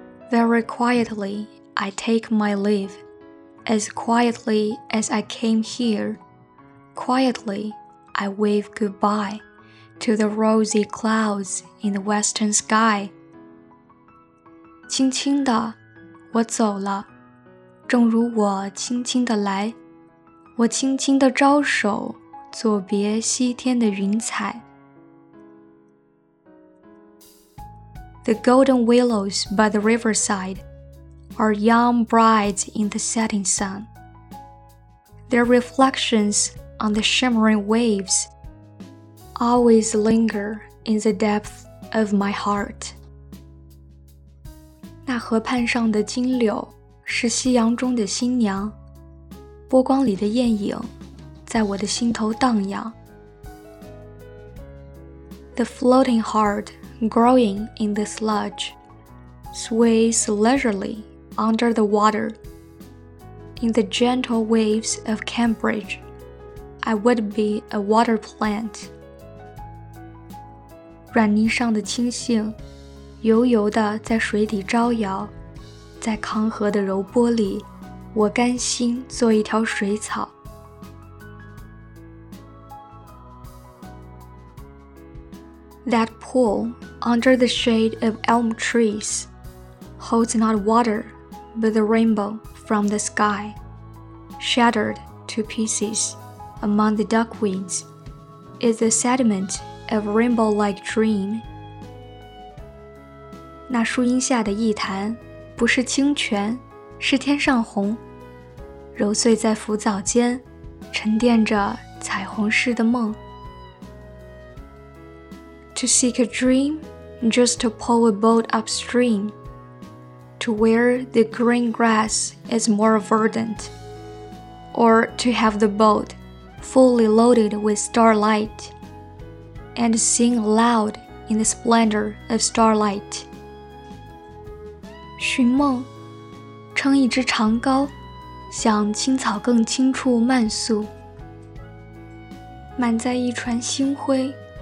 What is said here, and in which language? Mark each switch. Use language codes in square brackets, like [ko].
[en] Very quietly, I take my leave, as quietly as I came here. Quietly, I wave goodbye to the rosy clouds in the western sky. [zh] 轻轻地，我走了，正如我轻轻地来，我轻轻地招手，作别西天的云彩。 [en] The golden willows by the riverside are young brides in the setting sun. Their reflections on the shimmering waves always linger in the depth of my heart. [zh] 那河畔上的金柳是夕阳中的新娘，波光里的艳影在我的心头荡漾。 [en] The floating heartGrowing in the sludge, sways leisurely under the water. In the gentle waves of Cambridge, I would be a water plant. [zh] 软泥上的青荇，油油地在水底招摇，在康河的柔波里，我甘心做一条水草。 [en] That pool under the shade of elm trees holds not water but the rainbow from the sky, shattered to pieces among the duckweeds, is the sediment of rainbow-like dream. [zh] 那树荫下的一潭不是清泉，是天上虹，揉碎在浮藻间，沉淀着彩虹似的梦。 [en] To seek a dream, just to pull a boat upstream, to where the green grass is more verdant, or to have the boat fully loaded with starlight, and sing aloud in the splendor of starlight. [zh] 寻梦，撑一支长篙，向青草更青处漫溯，满载一船星辉。